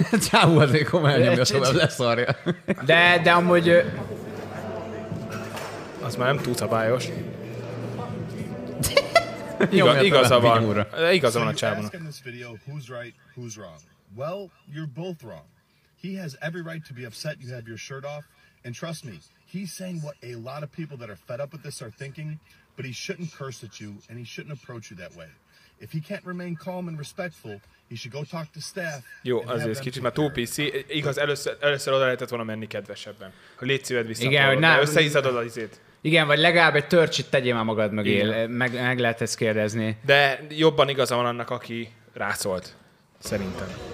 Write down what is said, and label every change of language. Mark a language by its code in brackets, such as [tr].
[hu] Csávú azért komolyan nyomja, szóval leszarja. De amúgy... Az már nem túl szabályos. Igaza van. Igaza van a csávónak. [en] In this video, who's right, who's wrong? Well, you're both wrong. He has every right to be upset you have your shirt off. And trust me, he's saying what a lot of people that are fed up with this are thinking, but he shouldn't curse at you and he shouldn't approach you that way. If he can't remain calm and respectful, he should go talk to staff. [hu] Jó, azért ez kicsit már túl PC. Igaz, először oda lehetett volna menni kedvesebben. Hogy légy szíved vissza. Igen, hogy nem. Összeizadod az izét. Igen, vagy legalább egy törcsit tegyél már magad mögé. Meg lehet ezt kérdezni. De jobban igaza van annak, aki rászólt. Szerintem.